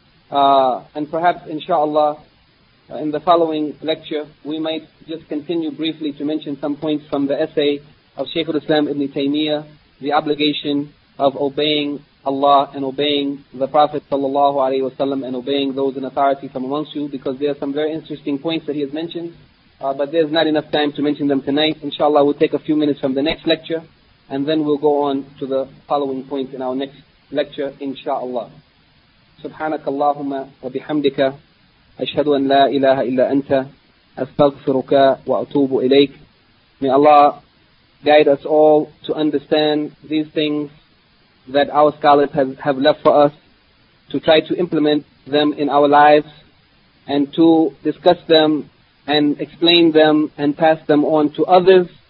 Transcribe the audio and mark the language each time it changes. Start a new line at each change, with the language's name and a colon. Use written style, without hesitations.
English: And perhaps, inshallah, in the following lecture, we might just continue briefly to mention some points from the essay of Shaykh al-Islam Ibn Taymiyyah, The Obligation of Obeying Allah and Obeying the Prophet sallallahu alayhi wa sallam and obeying those in authority from amongst you, because there are some very interesting points that he has mentioned, but there's not enough time to mention them tonight. Inshallah, we'll take a few minutes from the next lecture, and then we'll go on to the following points in our next lecture, inshallah.
Arabic: سبحانك اللهم وبحمدك أشهد أن لا إله إلا أنت أستغفرك وأتوب إليك.
English: May Allah guide us all to understand these things that our scholars have left for us, to try to implement them in our lives and to discuss them and explain them and pass them on to others,